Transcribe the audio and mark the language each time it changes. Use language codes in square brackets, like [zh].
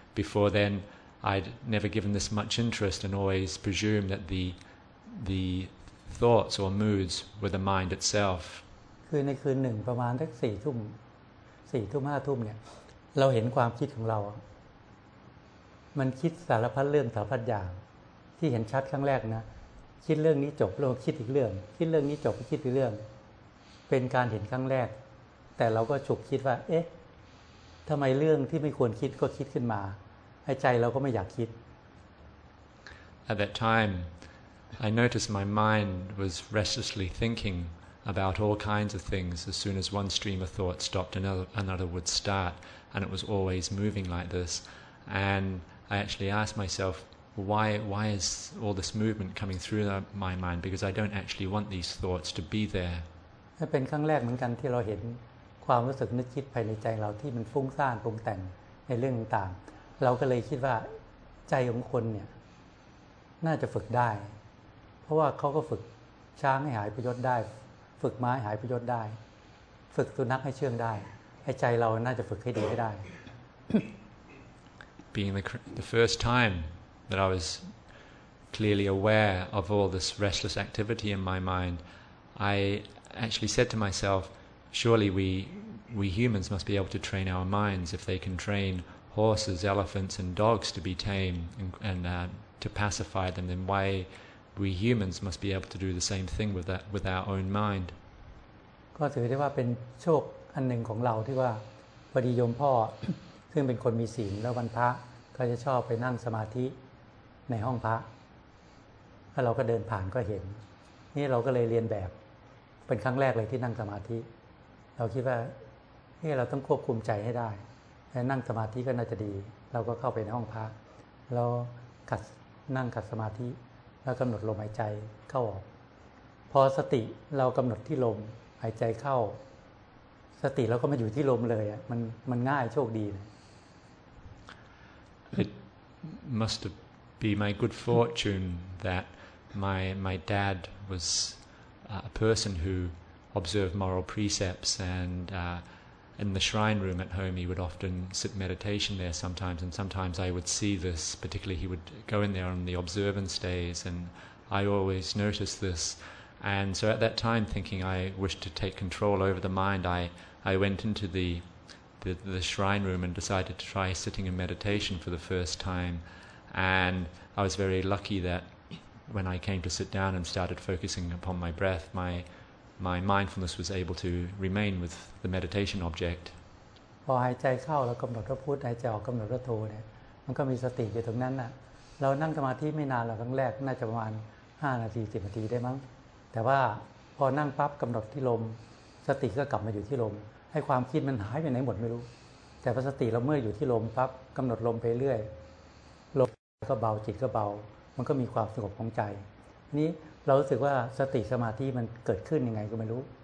[en] Before then, I'd never given this much interest and always presumed that the thoughts or moods were the mind itself. [th] คือในคืนหนึ่งประมาณสักสี่ทุ่มห้าทุ่มเนี่ยเราเห็นความคิดของเรามันคิดสารพัดเรื่องสารพัดอย่างที่เห็นชัดครั้งแรกนะคิดเรื่องนี้จบแล้วคิดอีกเรื่องคิดเรื่องนี้จบแล้วคิดอีกเรื่องเป็นการเห็นครั้งแรกแต่เราก็ฉุกคิดว่าเอ๊ะทำไมเรื่องที่ไม่ควรคิดก็คิดขึ้นมาให้ใจเราก็ไม่อยากคิด [en] At that time I noticed my mind was restlessly thinking about all kinds of things. As soon as one stream of thought stopped, another would start, and it was always moving like this. And I actually asked myself, why is all this movement coming through my mind? Because I don't actually want these thoughts to be there. [th] เป็นครั้งแรกเหมือนกันที่เราเห็นความรู้สึกนึกคิดภายในใจเราที่มันฟุ้งซ่านปรุงแต่งในเรื่องต่างเราก็เลยคิดว่าใจของคนเนี่ยน่าจะฝึกได้เพราะว่าเขาก็ฝึกช้างให้หายพยศได้ฝึกม้าให้หายพยศได้ฝึกสุนัขให้เชื่องได้ให้ใจเราน่าจะฝึกให้ดีให้ได้ [en] Being the first time that I was clearly aware of all this restless activity in my mind, I actually said to myselfSurely we humans must be able to train our minds. If they can train horses, elephants, and dogs to be tame and to pacify them, then why we humans must be able to do the same thing with our own mind? [th] ก็ถือได้ว่าเป็นโชคอันหนึ่งของเราที่ว่าพอดีโยมพ่อซึ่งเป็นคนมีศีลแล้ววันพระก็จะชอบไปนั่งสมาธิในห้องพระ ถ้าเราก็เดินผ่านก็เห็นนี่เราก็เลยเรียนแบบเป็นครั้งแรกเลยที่นั่งสมาธิเราคิดว่าเราต้องควบคุมใจให้ได้นั่งสมาธิก็น่าจะดีเราก็เข้าไปในห้องพักเรานั่งขัดสมาธิแล้วกำหนดลมหายใจเข้าออกพอสติเรากำหนดที่ลมหายใจเข้าสติเราก็มาอยู่ที่ลมเลยอ่ะมันง่ายโชคดี [en] It must be my good fortune that my dad was a person who observe moral precepts and in the shrine room at home he would often sit meditation there sometimes and sometimes I would see this particularly he would go in there on the observance days and I always noticed this and so at that time thinking I wished to take control over the mind I went into the shrine room and decided to try sitting in meditation for the first time and I was very lucky that when I came to sit down and started focusing upon my breath my mindfulness was able to remain with the meditation object. [th] พอหายใจเข้าแล้วกำหนดว่าพุทหายใจออกกำหนดว่าโทเนี่ยมันก็มีสติอยู่ตรงนั้นน่ะเรานั่งสมาธิไม่นานหรอกครั้งแรกน่าจะประมาณ5นาที10นาทีได้มั้งแต่ว่าพอนั่งปั๊บกำหนดที่ลมสติก็กลับมาอยู่ที่ลมให้ความคิดมันหายไปไหนหมดไม่รู้แต่พอสติเราเมื่ออยู่ที่ลมปั๊บกำหนดลมไปเรื่อยลมก็เบาจิตก็เบามันก็มีความสงบของใจนี้เรารู้สึกว่าสติสมาธิมันเกิดขึ้นยังไงก็ไม่รู้